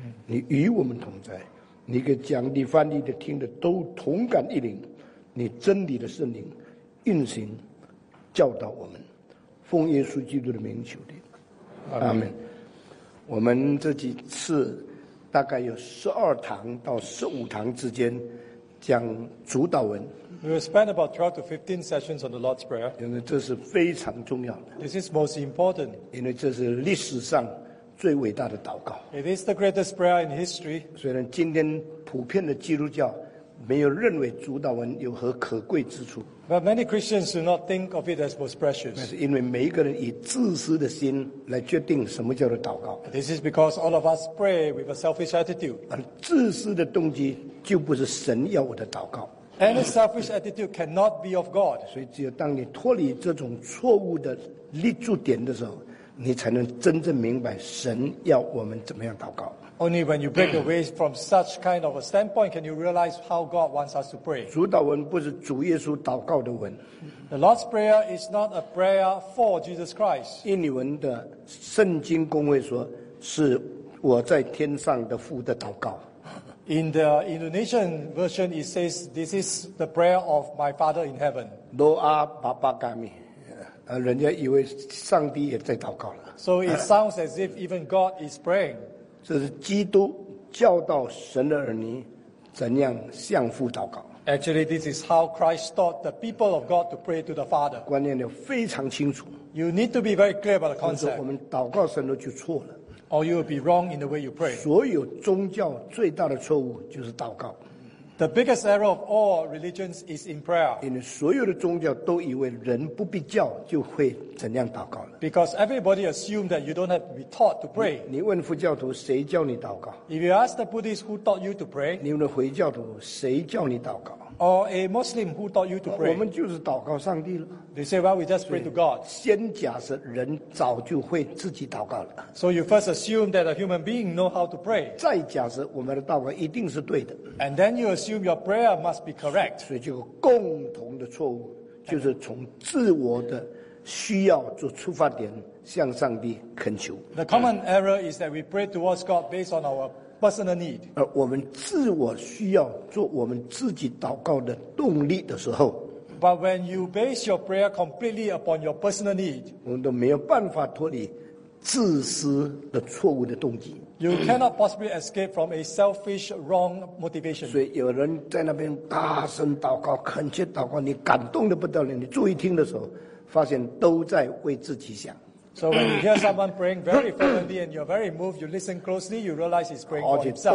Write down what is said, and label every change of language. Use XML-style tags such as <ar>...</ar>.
<zh>你与我们同在，你给讲理翻译的听的都同感一灵，你真理的圣灵运行教导我们，奉耶稣基督的名求的，阿们。我们这几次大概有12堂到15堂之间讲主导文。</zh> <en>We will spend about 12 to 15 sessions on the Lord's Prayer.</en> <zh>因为这是非常重要的。</zh> <en>This is most important.</en> <zh>因为这是历史上最伟大的祷告。</zh> <en>It is the greatest prayer in history.</en> <zh>虽然今天普遍的基督教没有认为主导文有何可贵之处。</zh> <en>But many Christians do not think of it as most precious.</en> <zh>那是因为每一个人以自私的心来决定什么叫做祷告。</zh> <en>This is because all of us pray with a selfish attitude.</en> <zh>而自私的动机就不是神要我的祷告。</zh> <en>Any selfish attitude cannot be of God.</en> <zh>所以只有当你脱离这种错误的立足点的时候，你才能真正明白神要我们怎么样祷告。</zh> <en>Only when you break away from such kind of a standpoint can you realize how God wants us to pray.</en> <zh>主祷文不是主耶稣祷告的文。</zh> <en>The Lord's Prayer is not a prayer for Jesus Christ.</en> <zh>印尼文的圣经公会说是我在天上的父的祷告。</zh> <en>In the Indonesian version, it says, this is the prayer of my Father in heaven.</en> <id>Doa Bapa kami.</id> <zh>人家以为上帝也在祷告了。</zh> <en>So it sounds as if even God is praying.</en> <zh>这是基督教导神的儿女怎样向父祷告。</zh> <en>Actually, this is how Christ taught the people of God to pray to the Father.</en> <zh>观念要非常清楚。</zh> <en>You need to be very clear about the concept.</en> <zh>我们祷告神都就错了。</zh> <en>Or you will be wrong in the way you pray.</en> <zh>所有宗教最大的错误就是祷告。</zh> <en>The biggest error of all religions is in prayer.</en> <zh>因为所有的宗教都以为人不必教就会怎样祷告了。</zh> <en>Because everybody assumes that you don't have to be taught to pray.</en> <zh>你问佛教徒谁教你祷告？</zh> <en>If you ask the Buddhist who taught you to pray.</en> <zh>你问回教徒谁教你祷告？</zh> <en>Or a Muslim who taught you to pray.</en> <zh>我们就是祷告上帝了。</zh> <en>They say, well, we just pray to God.</en> <zh>先假设人早就会自己祷告了。</zh> <en>So you first assume that a human being know how to pray.</en> <zh>再假设我们的祷告一定是对的。</zh> <en>And then you assume your prayer must be correct.</en> <zh>所以这个共同的错误就是从自我的需要做出发点向上帝恳求。</zh> <en>The common error is that we pray towards God based on our personal need.</en> <zh>而我们自我需要做我们自己祷告的动力的时候，</zh> <en>But when you base your prayer completely upon your personal need,</en> <zh>我们都没有办法脱离自私的错误的动机。</zh> <en>You cannot possibly escape from a selfish wrong motivation.</en> <zh>所以有人在那边大声祷告，恳切祷告，你感动得不得了，你注意听的时候，发现都在为自己想。</zh> <en>So when you hear someone praying very fervently and you're very moved, you listen closely, you realize he's praying for himself.</en>